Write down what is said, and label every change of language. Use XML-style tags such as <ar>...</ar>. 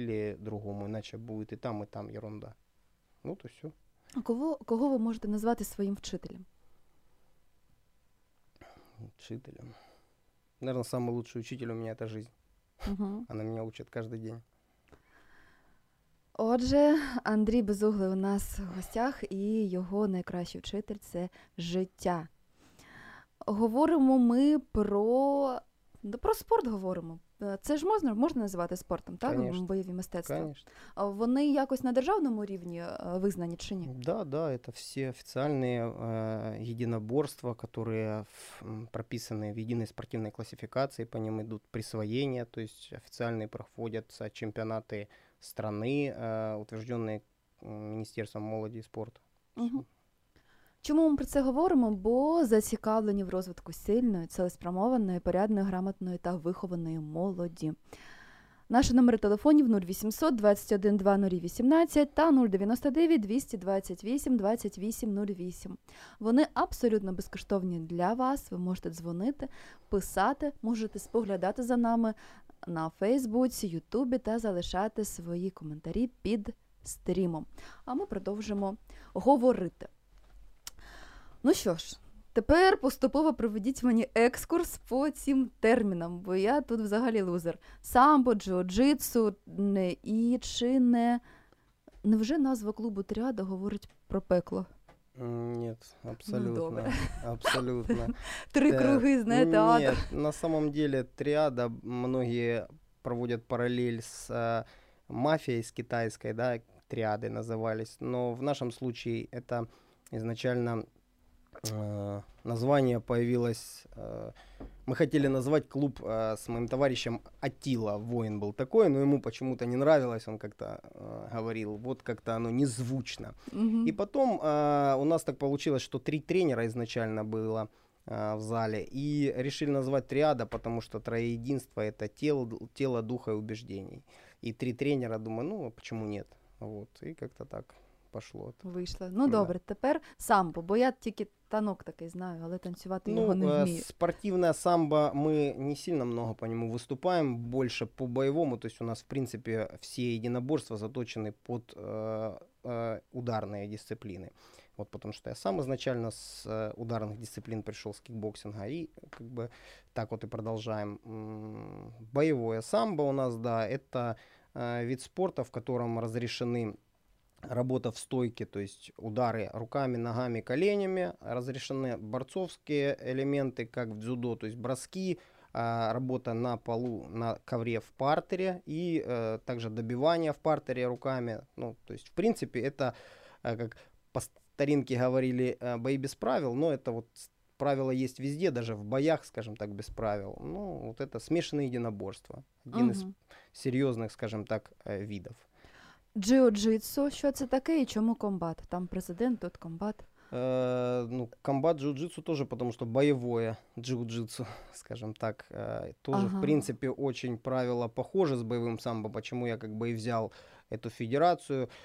<ru>или другому, иначе будет и там ерунда. Вот и все. А кого вы можете назвать своим вчителем? Учителем. Наверное, самый лучший учитель у меня – это жизнь. Угу. Она меня учит каждый день.</ru> <uk>Отже, Андрій Безуглий у нас в гостях, і його найкращий вчитель – це життя. Говоримо ми про… Да, про спорт говоримо. Це ж можна називати спортом, так?</uk> <ru>Конечно.</ru> <uk>Бойові мистецтва.</uk> <ru>Конечно.</ru> <uk>Вони якось на державному рівні визнані чи ні?</uk> <ru>Да, это все официальные единоборства, которые прописаны в единой спортивной классификации, по ним идут присвоения, то есть официальные проходятся чемпионаты страны, утвержденные Министерством</ru> <uk>молоді і спорту. Угу. Чому ми про це говоримо? Бо зацікавлені в розвитку сильної, цілеспрямованої, порядної, грамотної та вихованої молоді. Наші номери телефонів 0800-21-2018 та 099-228-2808. Вони абсолютно безкоштовні для вас. Ви можете дзвонити, писати, можете споглядати за нами на Фейсбуці, Ютубі та залишати свої коментарі під стрімом. А ми продовжимо говорити. Ну що ж, тепер поступово проведіть мені екскурс по цим термінам, бо я тут взагалі лузер. Самбо, джиу-джитсу, не і чи не... Невже назва клубу «Тріада» говорить про пекло? Ні, абсолютно. Абсолютно. Три круги, знаєте, ада. Ні,</uk> <ru>на самом деле</ru> <uk>«Тріада» многі проводять паралель з мафією, з китайською, да, «Тріади» називались.</uk> <ru>Но в нашому случае это изначально... название появилось, мы хотели назвать клуб с моим товарищем Атила, воин был такой, но ему почему-то не нравилось, он как-то говорил, вот как-то оно незвучно. Mm-hmm. И потом у нас так получилось, что три тренера изначально было в зале, и решили назвать «Триада», потому что троеединство – это тело, духа и убеждений. И три тренера, думаю, ну почему нет, вот, и как-то так. Пошло.</ru> <uk>Вийшло. Ну, да. Добре, тепер самбо, бо я тільки танок такий знаю, але танцювати ну, його не вмію. Спортивне самбо, ми не сильно много по ньому виступаємо, більше по бойовому, тобто у нас, в принципі, всі єдиноборства заточені під ударні дисципліни. От, тому що я сам ізначально з ударних дисциплін прийшов з кікбоксинга, і как бы, так от і продовжуємо. Бойове самбо у нас,</uk> <ru>да, это вид спорту,</ru> <uk>в якому</uk> <ru>разрешены работа в стойке, то есть удары руками, ногами, коленями, разрешены борцовские элементы, как в дзюдо, то есть броски, работа на полу, на ковре в партере и также добивание в партере руками. Ну, то есть, в принципе, это, как по старинке говорили, бои без правил, но это вот правила есть везде, даже в боях, скажем так, без правил. Ну, вот это смешанное единоборство, один из серьезных, скажем так, видов.</ru> <uk>Джиу-джитсу, що це таке і чому комбат? Там президент, тут комбат.</uk> <ru>Ну, комбат джиу-джитсу тоже, потому что боевое джиу-джитсу, скажем так, тоже, в Ага. принципе, очень правила похожи с боевым самбо, почему я как бы и взял эту федерацию.</ru>